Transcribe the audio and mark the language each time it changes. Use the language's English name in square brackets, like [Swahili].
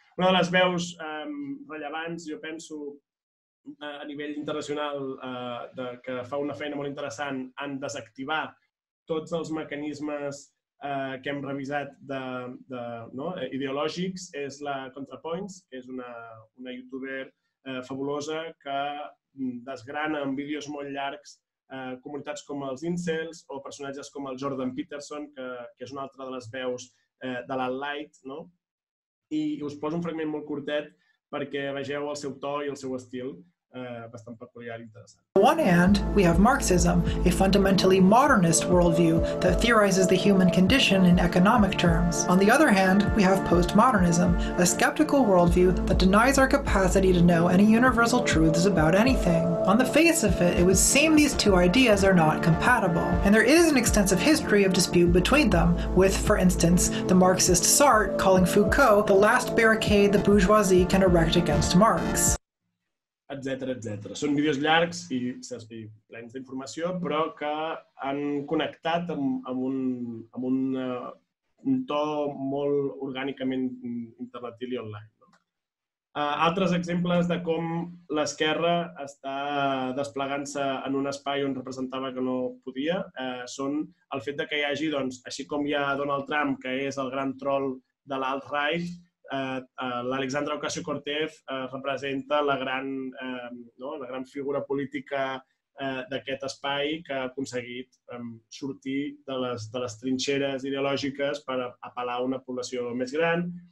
[Catalan] Una de les veus rellevants, jo penso, a nivell internacional, que fa una feina molt interessant en desactivar tots els mecanismes que hem revisat de no, ideològics, és la ContraPoints, que és una youtuber fabulosa que desgrana en vídeos molt llargs comunitats com els incels o personatges com el Jordan Peterson, que és una altra de les veus de l'alt-light, no? I us poso un fragment molt curtet perquè vegeu el seu to i el seu estil, bastant peculiar i interessant. [English] On one hand, we have Marxism, a fundamentally modernist worldview that theorizes the human condition in economic terms. On the other hand, we have postmodernism, a skeptical worldview that denies our capacity to know any universal truths about anything. On the face of it, it would seem these two ideas are not compatible. And there is an extensive history of dispute between them, with, for instance, the Marxist Sartre calling Foucault the last barricade the bourgeoisie can erect against Marx. [Catalan] Etc, etc. Són vídeos llargs i plens d'informació, però que han connectat amb un to molt orgànicament internetil i online. No? Altres exemples de com l'esquerra està desplegant-se en un espai on representava que no podia són el fet de que hi hagi, doncs, així com hi ha Donald Trump, que és el gran troll de l'alt-right, l'Alexandra Ocasio-Cortez representa la gran figura política d'aquest espai que ha aconseguit sortir de les trinxeres ideològiques per apel·lar a una població més gran.